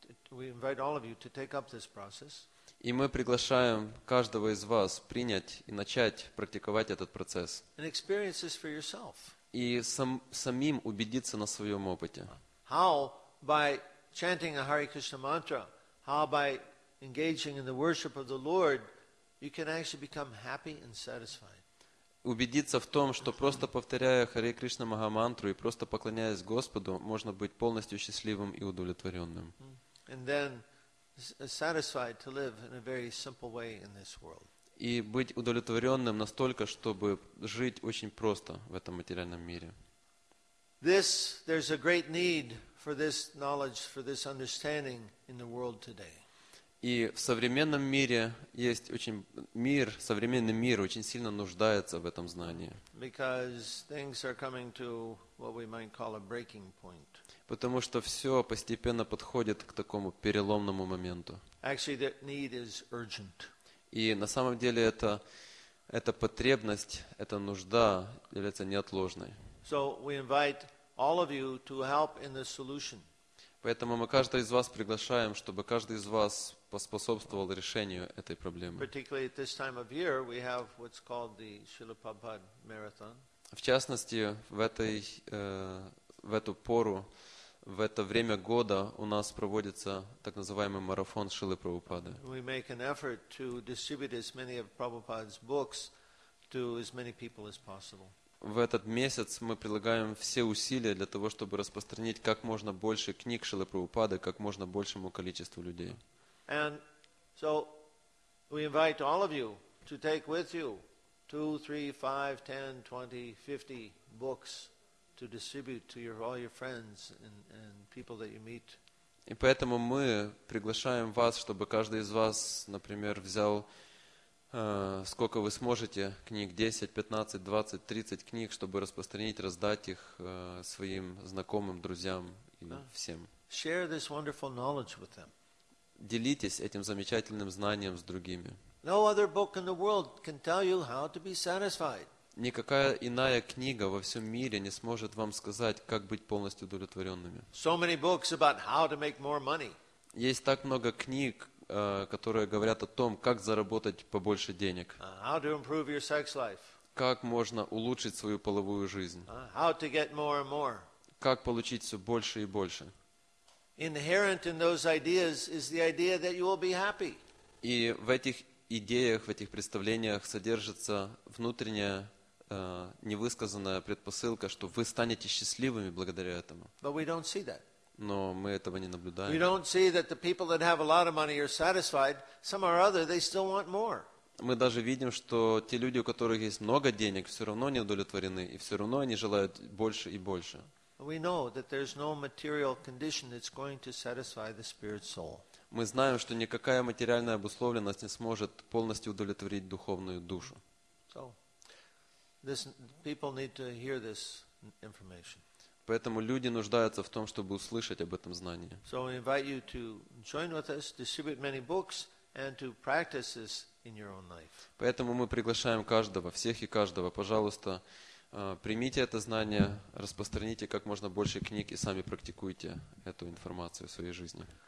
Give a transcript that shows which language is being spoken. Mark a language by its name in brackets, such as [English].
[English] We invite all of you to take up this process. [Russian] И мы приглашаем каждого из вас принять и начать практиковать этот процесс. [English] And experience this for yourself. [Russian] И самим убедиться на своем опыте. [English] How? By chanting a Hare Krishna mantra, how by engaging in the worship of the Lord, you can actually become happy and satisfied. [Russian] Убедиться в том, что просто повторяя Hare Krishna Mahamantra и просто поклоняясь Господу, можно быть полностью счастливым и удовлетворенным. [English] And then satisfied to live in a very simple way in this world. [Russian] И быть удовлетворенным настолько, чтобы жить очень просто в этом материальном мире. [English] There's a great need for this knowledge, for this understanding in the world today. [Russian] И в современном мире есть современный мир очень сильно нуждается в этом знании. [English] Because things are coming to what we might call a breaking point. [Russian] Потому что все постепенно подходит к такому переломному моменту. [English] Actually, the need is urgent. [Russian] И на самом деле эта потребность, эта нужда является неотложной. [English] So we invite all of you to help in the solution. [Russian] Поэтому мы каждого из вас приглашаем, чтобы каждый из вас поспособствовал решению этой проблемы. [English] Particularly at this time of year, we have what's called the Srila Prabhupada Marathon. [Russian] В частности, в эту пору, в это время года у нас проводится так называемый марафон Шрилы Прабхупады. [English] We make an effort to distribute as many of Prabhupada's books to as many people as possible. [Russian] В этот месяц мы прилагаем все усилия для того, чтобы распространить как можно больше книг Шрилы Прабхупады как можно большему количеству людей. [English] And so we invite all of you to take with you 2, 3, 5, 10, 20, 50 books to distribute to all your friends and people that you meet. [Russian] И поэтому мы приглашаем вас, чтобы каждый из вас, например, взял сколько вы сможете книг, 10, 15, 20, 30 книг, чтобы распространить, раздать их своим знакомым, друзьям и всем. [English] Share this wonderful knowledge with them. [Russian] Делитесь этим замечательным знанием с другими. [English] No other book in the world can tell you how to be satisfied. [Russian] Никакая иная книга во всем мире не сможет вам сказать, как быть полностью удовлетворенными. [English] So many books about how to make more money. [Russian] Есть так много книг, которые говорят о том, как заработать побольше денег. [English] How to improve your sex life. [Russian] Как можно улучшить свою половую жизнь. [English] How to get more and more. [Russian] Как получить все больше и больше. [English] Inherent in those ideas is the idea that you will be happy. [Russian] И в этих идеях, в этих представлениях содержится внутренняя невысказанная предпосылка, что вы станете счастливыми благодаря этому. [English] But we don't see that. [Russian] Но мы этого не наблюдаем. [English] We don't see that the people that have a lot of money are satisfied. Some or other, they still want more. [Russian] Мы даже видим, что те люди, у которых есть много денег, все равно не удовлетворены, и все равно они желают больше и больше. [English] We know that there's no material condition that's going to satisfy the spirit soul. [Russian] Мы знаем, что никакая материальная обусловленность не сможет полностью удовлетворить духовную душу. [English] So, this, people need to hear this information. [Russian] Поэтому люди нуждаются в том, чтобы услышать об этом знании. [English] So we invite you to join with us, distribute many books, and to practice this in your own life. [Russian] Поэтому мы приглашаем каждого, всех и каждого, пожалуйста, примите это знание, распространите как можно больше книг и сами практикуйте эту информацию в своей жизни.